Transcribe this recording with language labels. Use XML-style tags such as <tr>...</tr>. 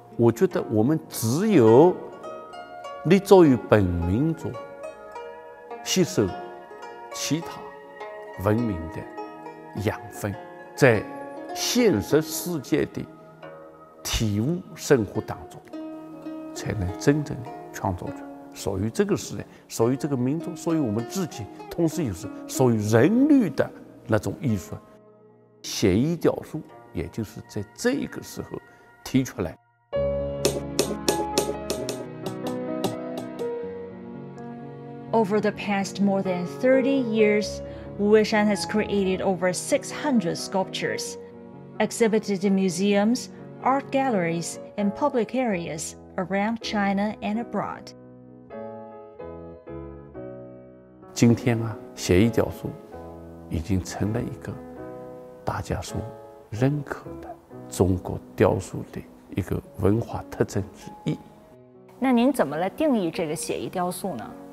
<zh>我觉得我们只有立足于本民族，吸收其他文明的养分，在现实世界的体悟生活当中，才能真正的创造出属于这个时代、属于这个民族、属于我们自己，同时又是属于人类的那种艺术。写意雕塑也就是在这个时候提出来。</zh> <en>Over the past more than 30 years, Wu Weishan has created over 600 sculptures, exhibited in museums, art galleries, and public areas around China and abroad.</en> <zh>今天啊，写意雕塑已经成了一个大家所认可的中国雕塑的一个文化特征之一。那您怎么来定义这个写意雕塑呢？</zh>